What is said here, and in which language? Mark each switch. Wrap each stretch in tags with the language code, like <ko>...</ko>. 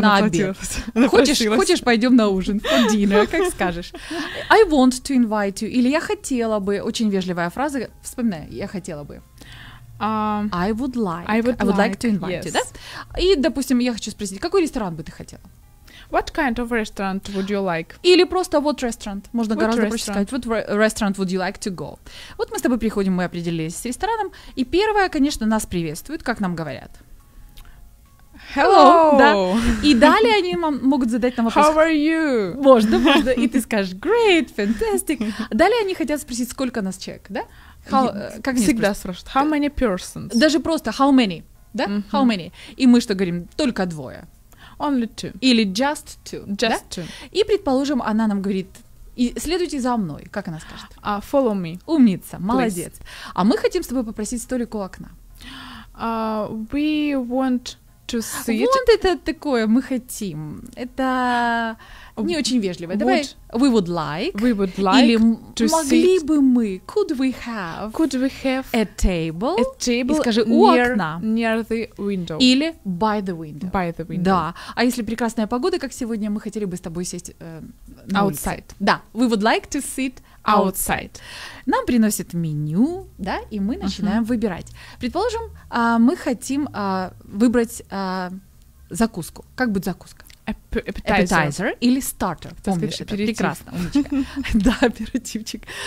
<ru>наплатилась. Хочешь, пойдем на ужин.</ru> <en>For dinner,</en> <ru>как скажешь.</ru> <en>I want to invite you.</en> <ru>Или я хотела бы. Очень вежливая фраза. Вспоминаю. Я хотела бы.</ru> <en>I would like. I would like to invite yes. you, да?</en> <ru>И, допустим, я хочу спросить, какой ресторан бы ты хотела?</ru> <en>What kind of restaurant would you like?</en> <ru>Или просто</ru> <en>what restaurant?</en> <ru>Можно what гораздо проще сказать.</ru> <en>What restaurant would you like to go?</en> <ru>Вот мы с тобой приходим, мы определились с рестораном. И первое, конечно, нас приветствуют, как нам говорят.</ru> <en>Hello.</en> <ru>Да. И далее они могут задать нам вопрос.</ru> <en>How are you?</en> <ru>Можно, можно. И ты скажешь</ru> <en>great, fantastic.</en> <ru>Далее они хотят спросить, сколько нас человек, да? How, как всегда спрашивают.</ru> <en>How many persons?</en> <ru>Даже просто</ru> <en>how many,</en> <ru>да? Mm-hmm.</ru> <en>How many?</en> <ru>И мы что говорим? Только двое.</ru> <en>Only two. Или just two. Just</en> <ru>да?</ru> <en>two.</en> <ru>И предположим, она нам говорит. И следуйте за мной. Как она скажет?</ru> <en>Follow me.</en> <ru>Умница,</ru> <en>please.</en> <ru>Молодец. А мы хотим с тобой попросить столик у окна.</ru> <en>We want to sit.</en> <ru>Want — это такое, мы хотим. Это не очень вежливо.</ru> <en>Давай, we would like или to</en> <ru>могли</ru> <en>sit.</en> <ru>Бы мы,</ru> <en>could we have a table</en> <ru>и скажи,</ru> <en>near,</en> <ru>у окна.</ru> <en>Near the window. Или by the window. By the window.</en> <ru>Да. А если прекрасная погода, как сегодня, мы хотели бы с тобой сесть на</ru> <en>outside.</en> <ru>Улице. Да.</ru> <en>We would like to sit outside.</en> <ru>Нам приносят меню, да, и мы начинаем выбирать. Предположим, мы хотим выбрать закуску. Как будет закуска?</ru> <en>Appetizer</en> <ru>или starter. Помнишь, это прекрасно, умничка. Да, аперитивчик.</ru>